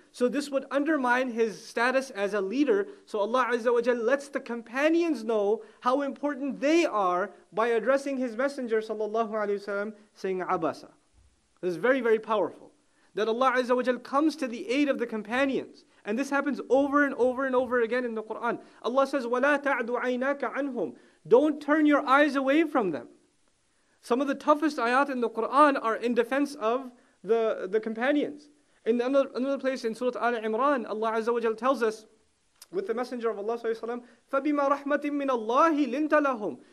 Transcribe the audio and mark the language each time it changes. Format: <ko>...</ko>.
<en>So this would undermine his status as a leader. So Allah Azza wa Jalla lets the companions know how important they are by addressing his Messenger, sallallahu alaihi wasallam, saying abasa. This is very, very powerful. That Allah Azza wa Jal comes to the aid of the companions. And this happens over and over and over again in the Quran. Allah says,</en> <ar>وَلَا تَعْدُ عَيْنَاكَ عَنْهُمْ.</ar> <en>Don't turn your eyes away from them. Some of the toughest ayat in the Quran are in defense of the companions. In another place in Surah Al-Imran, Allah Azza wa Jal tells us, with the Messenger of Allah Sallallahu Alaihi Wasallam,</en> <ar>فَبِمَا رَحْمَةٍ مِّنَ اللَّهِ لِنْتَ لَهُمْ.</ar>